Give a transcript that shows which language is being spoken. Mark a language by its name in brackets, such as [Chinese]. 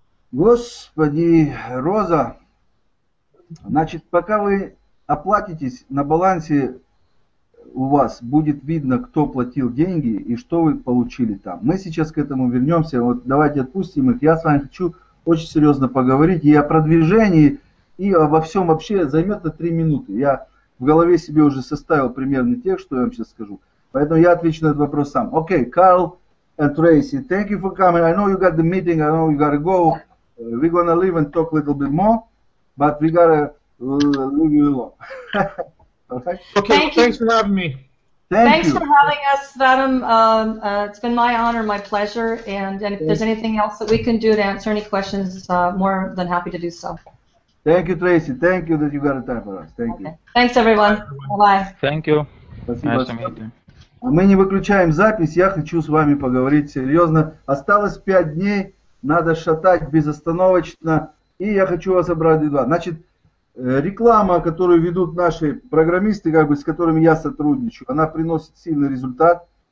[Russian] Господи, Роза, значит, пока вы оплатитесь, на балансе у вас будет видно, кто платил деньги и что вы получили там. Мы сейчас к этому вернемся, вот давайте отпустим их. Я с вами хочу очень серьезно поговорить и о продвижении, и обо всем вообще займет на 3 минуты. Я в голове себе уже составил примерно тех, что я вам сейчас скажу. Поэтому я отвечу на этот вопрос сам. [English] Окей, Карл и Трейси, thank you for coming. I know you got the meeting, I know you gotta go. We're gonna leave and talk a little bit more, but we gotta leave you alone. Okay, thanks for having me. Thanks for having us, Vadim. It's been my honor, my pleasure, and if there's anything else that we can do to answer any questions, more than happy to do so. Thank you, Tracy. Thank you that you got a time for us. Thank you. Thanks, everyone. Bye-bye. Thank you. [Russian] Мы не выключаем запись, я хочу с вами поговорить серьезно. Осталось 5 дней. Надо шатать безостановочно. И я хочу вас обрадовать. Значит, реклама, которую ведут наши программисты, как бы, с которыми я сотрудничаю, она приносит сильный результат.